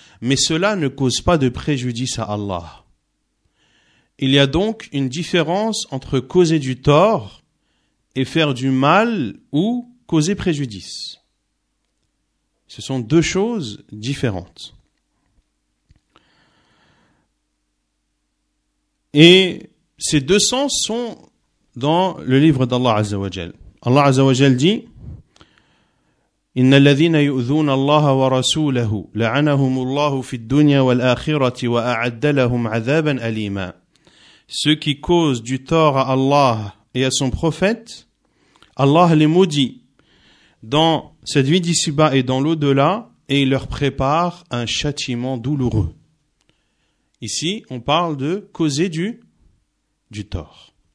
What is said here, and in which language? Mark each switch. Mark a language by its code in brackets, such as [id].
[fr] Mais cela ne cause pas de préjudice à Allah. Il y a donc une différence entre causer du tort et faire du mal ou causer préjudice. Ce sont deux choses différentes. Et ces deux sens sont dans le livre d'Allah Azza wa Jal. Allah Azza wa Jal dit [ar] إِنَّ الَّذِينَ يُؤْذُونَ اللَّهَ وَرَسُولَهُ لَعَنَهُمُ اللَّهُ فِي الدُّنْيَا وَالْآخِرَةِ وَأَعَدَّ لَهُمْ عَذَابًا أَلِيمًا. [fr] Ceux qui causent du tort à Allah et à son prophète, Allah les maudit dans cette vie d'ici-bas et dans l'au-delà et il leur prépare un châtiment douloureux. Ici, on parle de causer du tort.